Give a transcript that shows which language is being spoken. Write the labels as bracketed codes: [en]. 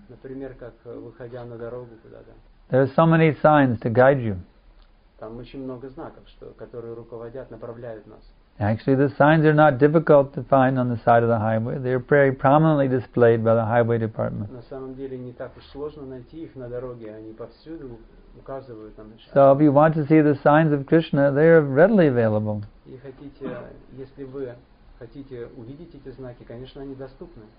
[ru] Например, как выходя на дорогу куда-то. [en] There are so many signs to guide you. [ru] Там очень много знаков, что которые руководят, направляют нас. [en] Actually, the signs are not difficult to find on the side of the highway. They are very prominently displayed by the highway department. [ru] На самом деле не так уж сложно найти их на дороге. Они повсюду указывают нам. [en] So, if you want to see the signs of Krishna, they are readily available. [ru] И хотите, если вы хотите увидеть эти знаки, конечно, они доступны.